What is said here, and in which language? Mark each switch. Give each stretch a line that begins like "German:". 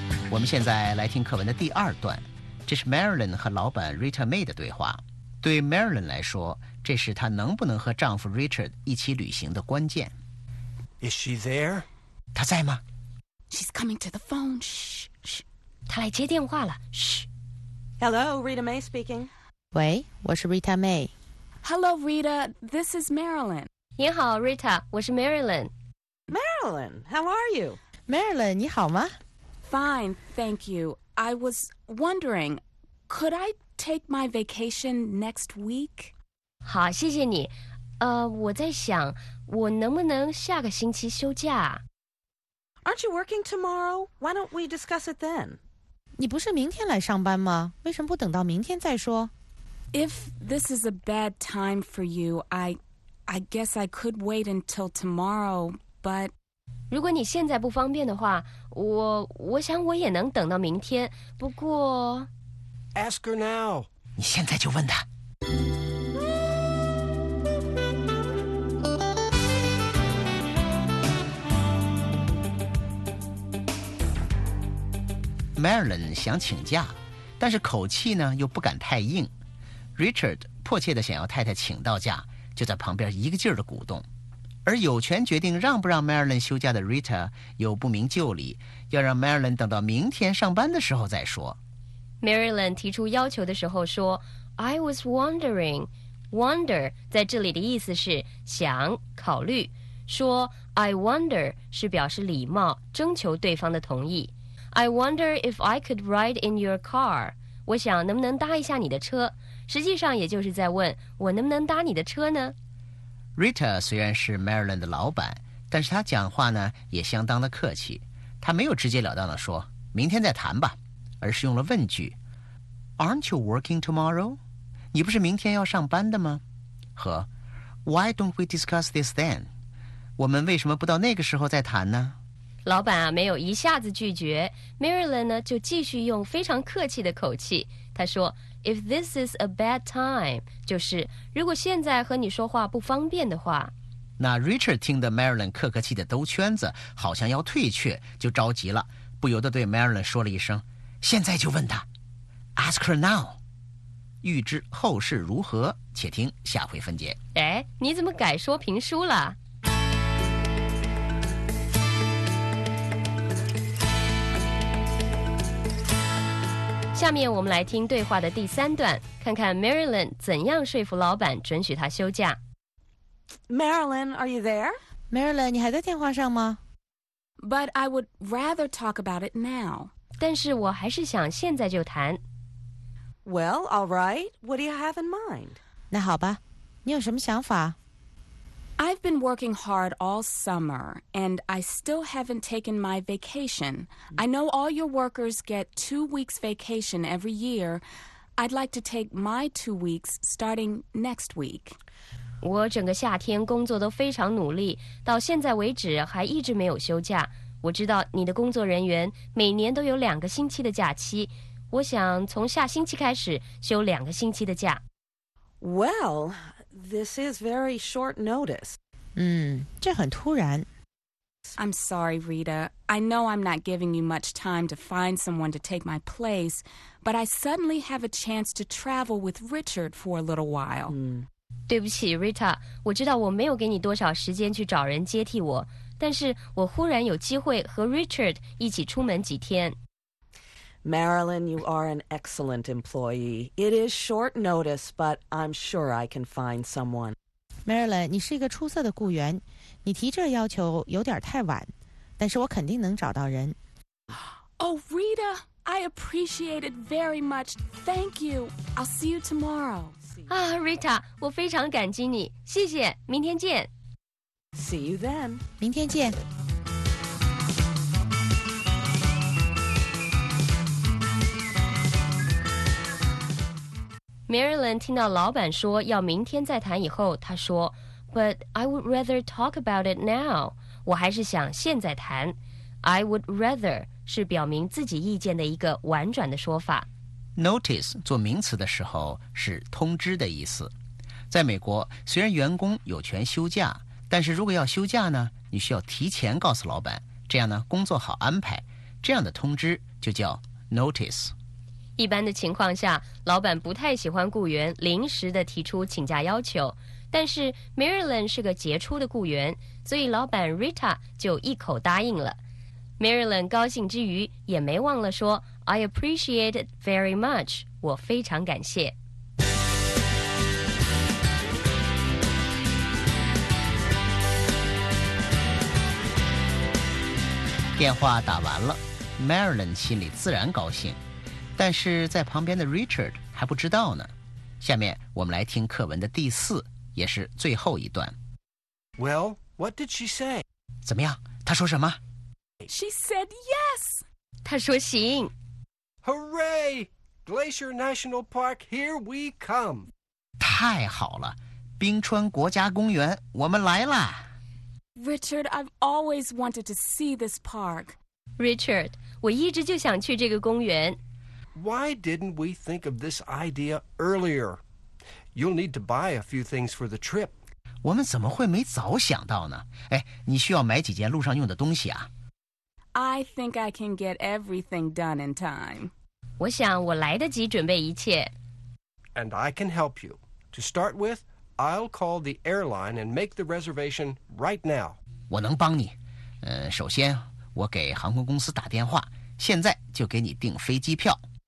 Chinese: 我们现在来听课文的第二段，这是 Marilyn 和老板 Rita May 的对话。对 Marilyn 来说，这是她能不能和丈夫 Richard 一起旅行的关键。
English: Is she there?
Chinese: 她在吗？
English: She's coming to the phone. Shh, shh.
Chinese: 他来接电话了。嘘。
English: Hello, Rita May speaking.
Chinese: 喂，我是 Rita May.
English: Hello, Rita. This is Marilyn.
Chinese: 你好 ，Rita， 我是 Marilyn.
English: Marilyn, how are you?
Chinese: Marilyn, 你好吗
English: ？Fine, thank you. I was wondering, could I take my vacation next week?
Chinese: 好，谢谢你。我在想，我能不能下个星期休假？
English: Aren't you working tomorrow? Why don't we discuss it then?
Chinese: 你不是明天来上班吗？为什么不等到明天再说
English: ？If this is a bad time for you, I guess I could wait until tomorrow. But
Chinese: 如果你现在不方便的话，我想我也能等到明天。不过
English: ，Ask her now.
Chinese: 你现在就问她。 Marilyn 想请假，但是口气呢又不敢太硬。 Richard 迫切地想要太太请到假，就在旁边一个劲儿地鼓动。而有权决定让不让 Marilyn 休假的 Rita 又不明就里，要让 Marilyn 等到明天上班的时候再说。 Marilyn 提出要求的时候说 ：
English: “I was wondering.
Chinese: Wonder 在这里的意思是想、考虑。说
English: I wonder
Chinese: 是表示礼貌，征求对方的同意。”
English: I wonder if I could ride in your car.
Chinese: 我想能不能搭一下你的车，实际上也就是在问我能不能搭你的车呢。 Rita 虽然是 Marilyn 的老板，但是她讲话呢也相当的客气。她没有直截了当的说明天再谈吧，而是用了问句 ：
English: Aren't you working tomorrow?
Chinese: 你不是明天要上班的吗？
English: 和 Why don't we discuss this then?
Chinese: 我们为什么不到那个时候再谈呢？老板啊，没有一下子拒绝 ，Marilyn 呢就继续用非常客气的口气，他说 ：
English: “If this is a bad time，
Chinese: 就是如果现在和你说话不方便的话。” 那 Richard 听得 Marilyn 客客气的兜圈子，好像要退却，就着急了，不由得对 Marilyn 说了一声：“现在就问他 ，
English: Ask her now。”
Chinese: 预知后事如何，且听下回分解。哎，你怎么改说评书了？下面我们来听对话的第三段，看看 Marilyn 怎样说服老板准许她休假。
English: Marilyn, are you there?
Chinese: Marilyn, 你还在电话上吗？
English: But I would rather talk about it now.
Chinese: 但是我还是想现在就谈。
English: Well, all right. What do you have in mind?
Chinese: 那好吧，你有什么想法？
English: I've been working hard all summer, and I still haven't taken my vacation. I know all your workers get 2 weeks vacation every year. I'd like to take my 2 weeks starting next week.
Chinese: 我整个夏天工作都非常努力，到现在为止还一直没有休假。我知道你的工作人员每年都有两个星期的假期，我想从下星期开始休两个星期的假。
English: Well, this is very short notice.
Chinese: 这很突然。
English: I'm sorry, Rita. I know I'm not giving you much time to find someone to take my place, but I suddenly have a chance to travel with Richard for a little while.
Chinese: 对不起 ，Rita， 我知道我没有给你多少时间去找人接替我，但是我忽然有机会和 Richard 一起出门几天。
English: Marilyn, you are an excellent employee. It is short notice, but I'm sure I can find someone.
Chinese: Marilyn, 你是一个出色的雇员，你提这要求有点太晚，但是我肯定能找到人。
English: Oh, Rita, I appreciate it very much. Thank you. I'll see you tomorrow.
Chinese: Rita, 我非常感激你，谢谢，明天见。
English: See you then.
Chinese: 明天见。 Marilyn 听到老板说要明天再谈以后，她说
English: But I would rather talk about it now.
Chinese: 我还是想现在谈。
English: I would rather
Chinese: 是表明自己意见的一个婉转的说法。 Notice 做名词的时候是通知的意思。在美国，虽然员工有权休假，但是如果要休假呢，你需要提前告诉老板，这样呢工作好安排，这样的通知就叫 Notice。一般的情况下，老板不太喜欢雇员临时的提出请假要求，但是 Marilyn 是个杰出的雇员，所以老板 Rita 就一口答应了。Marilyn 高兴之余，也没忘了说
English: I appreciate it very much.
Chinese: 我非常感谢。电话打完了， Marilyn 心里自然高兴，但是在旁边的 Richard 还不知道呢。下面我们来听课文的第四也是最后一段。
English: Well, what did she say?
Chinese: 怎么样，她说什么？
English: She said yes.
Chinese: 她说行。
English: Hooray! Glacier National Park, here we come.
Chinese: 太好了，冰川国家公园，我们来啦。
English: Richard, I've always wanted to see this park.
Chinese: Richard, 我一直就想去这个公园。
English: Why didn't we think of this idea earlier? You'll need to buy a few things for the trip.
Chinese: 我们怎么会没早想到呢？哎，你需要买几件路上用的东西啊。
English: I think I can get everything done in time.
Chinese: 我想我来得及准备一切。
English: And I can help you. To start with,I'll call the airline and make the reservation right now.
Chinese: 我能帮你。首先我给航空公司打电话，现在就给你订飞机票。